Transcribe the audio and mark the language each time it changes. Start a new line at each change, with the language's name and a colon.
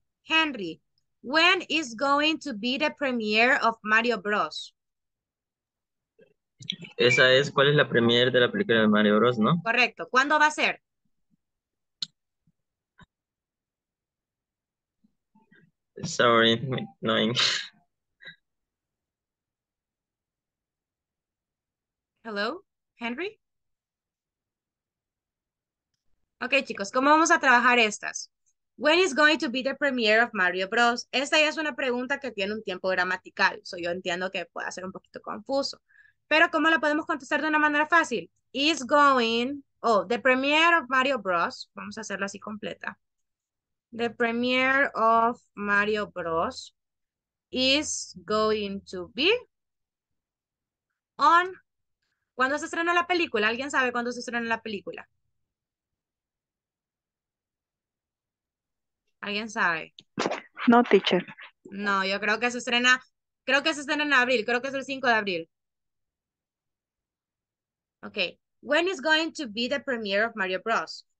English: Henry, when is going to be the premiere of Mario Bros?
Spanish: Esa es, ¿cuál es la premiere de la película de Mario Bros, no? Correcto. ¿Cuándo va a ser?
English: Sorry, annoying. Hello, Henry?
Spanish: Ok, chicos, ¿cómo vamos a trabajar estas?
English: When is going to be the premiere of Mario Bros?
Spanish: Esta ya es una pregunta que tiene un tiempo gramatical. So yo entiendo que puede ser un poquito confuso. Pero ómo la podemos contestar de una manera fácil?
English: Is going, oh, the premiere of Mario Bros.
Spanish: Vamos a hacerla así completa.
English: The premiere of Mario Bros. Is going to be on.
Spanish: ¿Cuándo se estrena la película? ¿Alguien sabe cuándo se estrena la película? ¿Alguien sabe?
English: No, teacher.
Spanish: No, yo creo que se estrena, creo que se estrena en abril, creo que es el 5 de abril.
English: Okay, when is going to be the premiere of Mario Bros?